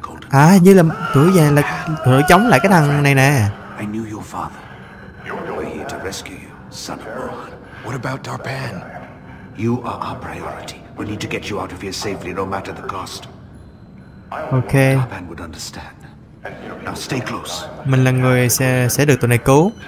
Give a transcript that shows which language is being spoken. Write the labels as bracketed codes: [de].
[vi] À, như là tuổi vàng là tuổi chống lại cái thằng này nè. [en] I knew your father. We're here to rescue you, son of Rohan. What about Darpan? You are our priority. We need to get you out of here safely, no matter the cost. Okay. Darpan would understand. Now stay close. [vi] Mình là người sẽ được tụi này cứu.